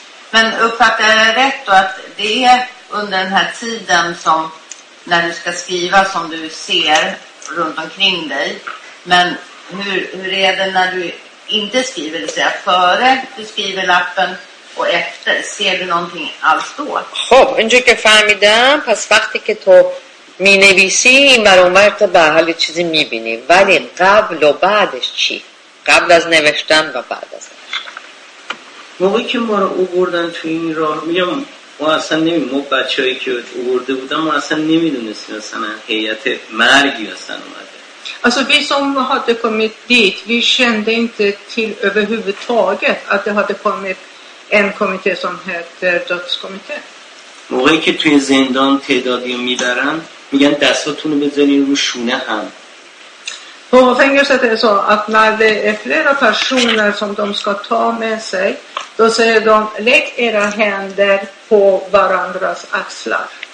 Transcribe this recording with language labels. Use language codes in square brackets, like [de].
[sv] Men uppfattar jag rätt då att det är under den här tiden som när du ska skriva som du ser runt omkring dig. Men hur är det när du inte skriver, det vill säga före du skriver lappen och efter? Ser du någonting alls då? [fa] خب اینجوری که فهمیدم پس وقتی که تو می نویسی این بر اون مرتبه به حال چیزی می بینی ولی قبل و بعدش چی؟ قبل از نوشتن و بعد از نوشتن موقعی که ما رو اوبردن تو این راه میگم ما اصلا نمی موقع بچه هایی که اوبرده بودم ما اصلا نمی دونستیم اصلا هیئت مرگی اصلا اومده [sv] Alltså vi som hade kommit dit vi kände inte till överhuvudtaget att det hade kommit en kommitté som heter dödskommitté [fa] موقعی که توی زندان تعدادی رو می برن میگن دستاتون رو بزنین رو شونه هم [sv] På fängelset är det så att när det är flera personer som de ska ta med sig då säger de, lägg era händer på varandras axlar.